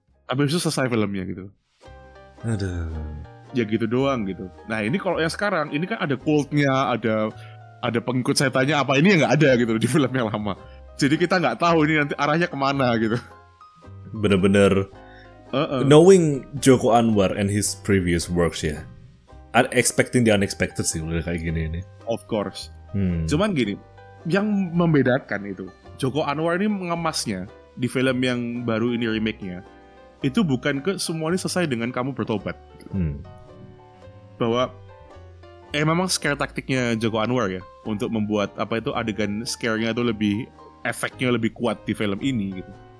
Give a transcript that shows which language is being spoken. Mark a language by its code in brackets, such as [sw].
[id] Abis itu selesai filmnya gitu. Aduh. Ya gitu doang gitu. Nah, ini kalau yang sekarang ini kan ada cult-nya, ada pengikut setannya apa ini yang nggak ada gitu di film yang lama. Jadi kita nggak tahu ini nanti arahnya kemana gitu. Bener-bener. [en] Knowing Joko Anwar and his previous works ya, yeah, expecting the unexpected [id] sih udah kayak gini ini. [en] Of course. [id] Cuman gini, yang membedakan itu Joko Anwar ini mengemasnya di film yang baru ini remake-nya itu bukan ke semua ini selesai dengan kamu bertobat. Bahwa memang scare taktiknya Joko Anwar ya untuk membuat apa itu adegan scare-nya itu lebih efeknya lebih kuat di film ini gitu.